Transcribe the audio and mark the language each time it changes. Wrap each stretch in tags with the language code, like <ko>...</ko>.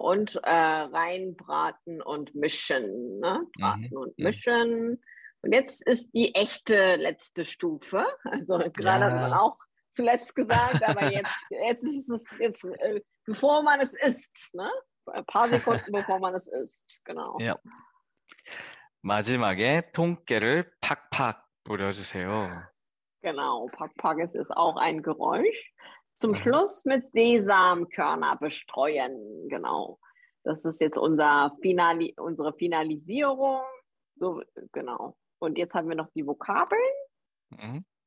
<de>Und reinbraten und mischen. Ne? Braten und mischen. Und jetzt ist die echte letzte Stufe. Also gerade hat man Ja. auch zuletzt gesagt, aber jetzt ist es jetzt, bevor man es isst, ne? Ein paar Sekunden, bevor man es isst, genau. Ja.</de> <ko>마지막에 통깨를 팍팍 뿌려주세요.</ko> <de>Genau, Pak Pak, es ist auch ein Geräusch. Zum Schluss mit Sesamkörner bestreuen, genau. Das ist jetzt unsere Finalisierung. So, genau. Und jetzt haben wir noch die Vokabeln.</de>